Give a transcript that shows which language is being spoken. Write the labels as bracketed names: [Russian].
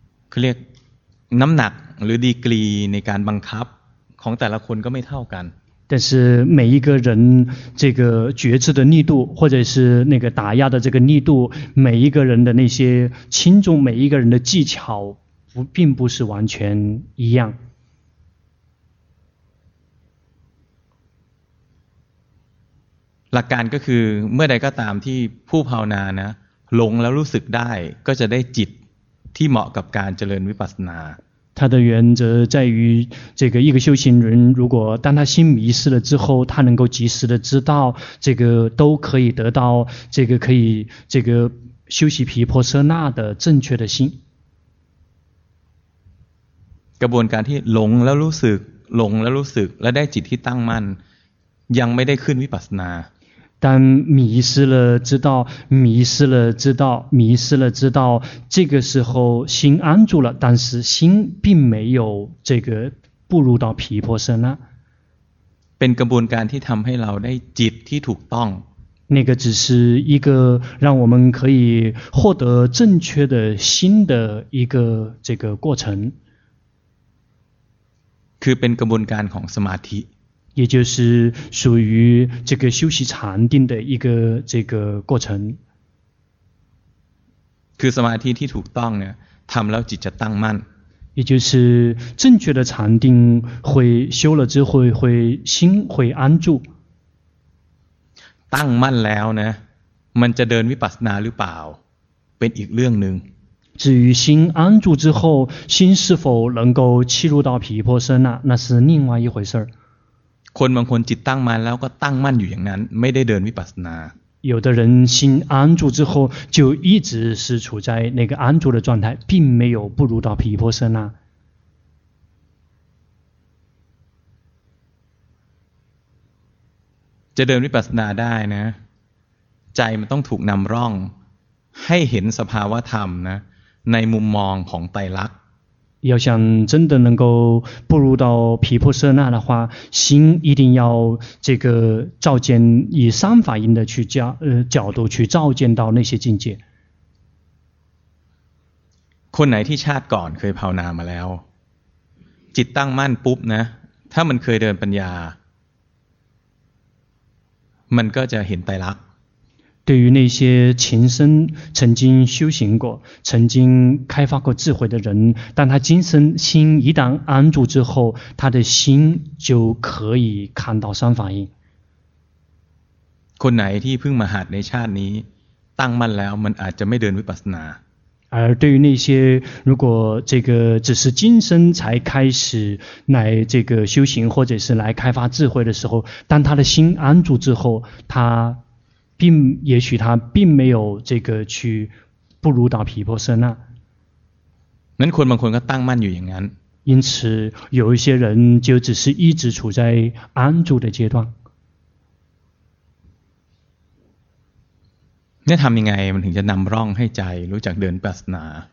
[Thai] เขาเรียกน้ำหนักหรือดีกรีในการบังคับของแต่ละคนก็ไม่เท่ากัน [Chinese] 但是每一个人这个觉知的力度或者是那个打压的这个力度每一个人的那些轻重每一个人的技巧不并不是完全一样 [Thai] หลักการก็คือเมื่อใดก็ตามที่ผู้ภาวนานะหลงแล้วรู้สึกได้ก็จะได้จิตที่เหมาะกับการเจริญวิปัสสนา [Chinese] 他的原则在于这个一个修行人如果当他心迷失了之后他能够及时的知道这个都可以得到这个可以这个修习毗婆舍那的正确的心 [Thai] กระบวนการที่หลงแล้วรู้สึกหลงแล้วรู้สึกและได้จิตที่ตั้งมั่นยังไม่ได้ขึ้นวิปัสสนา แต่ [Chinese] 迷失了知道迷失了知道迷失了知道这个时候心安住了但是心并没有这个步入到毗婆舍那 [Thai] เป็นกระบวนการที่ทำให้เราได้จิตที่ถูกต้อง [Chinese] 那个只是一个让我们可以获得正确的心的一个这个过程。 [Thai] คือเป็นกระบวนการของสมาธิ [Chinese] 也就是属于这个修习禅定的一个这个过程。 [Thai] คือสมาธิที่ถูกต้องเนี่ยทำแล้วจิตจะตั้งมั่น [Chinese] 也就是正确的禅定会修了之后会心会安住 [Thai] ตั้งมั่นแล้วนะมันจะเดินวิปัสสนาหรือเปล่าเป็นอีกเรื่องหนึ่ง [Chinese] 至于心安住之后心是否能够契入到毗婆舍那那是另外一回事 [Thai] คนบางคนจิตตั้งมั่นแล้วก็ตั้งมั่นอยู่อย่างนั้นไม่ได้เดินวิปัสสนา [Chinese] 有的人心安住之后就一直是处在那个安住的状态并没有步入到毗婆舍那 [Thai] จะเดินวิปัสสนาได้นะใจมันต้องถูกนำร่องให้เห็นสภาวะธรรมนะในมุมมองของไตรลักษณ์ [Chinese] 要想真的能够步入到毗婆舍那的话心一定要这个照见以三法印的去角度去照见到那些境界 [Thai] คนไหนที่ชาติก่อนเคยภาวนามาแล้วจิตตั้งมั่นปุ๊บนะถ้ามันเคยเดินปัญญามันก็จะเห็นไตรลักษณ์ [Chinese] 对于那些前生曾经修行过曾经开发过智慧的人当他今生心一旦安住之后他的心就可以看到三法印 [Thai] คนไหนที่เพิ่งมาหัดในชาตินี้ตั้งมั่นแล้วมันอาจจะไม่เดินวิปัสสนา [Chinese] 而对于那些如果这个只是今生才开始来这个修行或者是来开发智慧的时候当他的心安住之后他并也许他并没有这个去步入到毗婆舍那那 [Thai] คนบางคนก็ตั้งมั่นอยู่อย่างนั้น [Chinese] 因此有一些人就只是一直处在安住的阶段那 [Thai] ทำยังไงมันถึงจะนำร่องให้ใจรู้จักเดินปัสนา